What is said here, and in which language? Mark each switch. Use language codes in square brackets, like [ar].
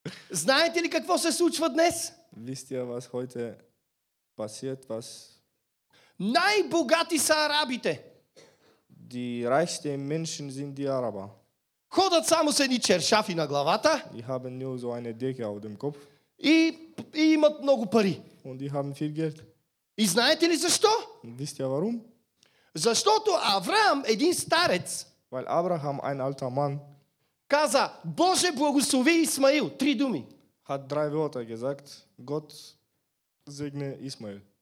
[bg] Знаете ли какво се случва днес? [de] Wisst ihr, was heute passiert, was... [bg] Най-богати са арабите. [de] Die reichsten Menschen sind die Araber. [bg] Ходят само с едни чершафи на главата. [de] Die haben nur so eine Decke auf dem Kopf. [bg] И имат много пари. [de] Und die haben viel Geld. [bg] И знаете ли защо? [de] Wisst ihr, warum? [bg] Защото Авраам, един старец, [de] weil Abraham, ein alter Mann, [bg] каза, Боже, благослови Исмаил. Три думи. [de] Hat drei Wörter gesagt. Gott segne Исмаил.